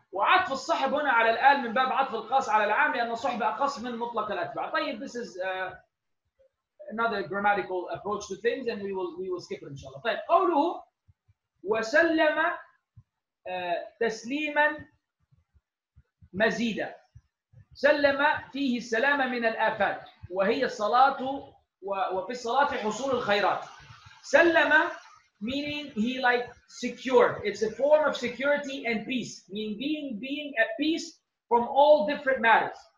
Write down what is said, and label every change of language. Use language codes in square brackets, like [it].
[ar] وعطف الصحب هنا على الآل من باب عطف القاس على العام لأن الصحب أقص من مطلق الأتباع. [en] طيب, this is another grammatical approach to things, and we will skip it inshallah. [ar] طيب, قوله وسلم تسليما مزيدا. سلم فيه السلام من الآفات وهي الصلاة وفي الصلاة حصول الخيرات. [en] سلم meaning he like secured. It's a form of security and peace, meaning being at peace from all different matters.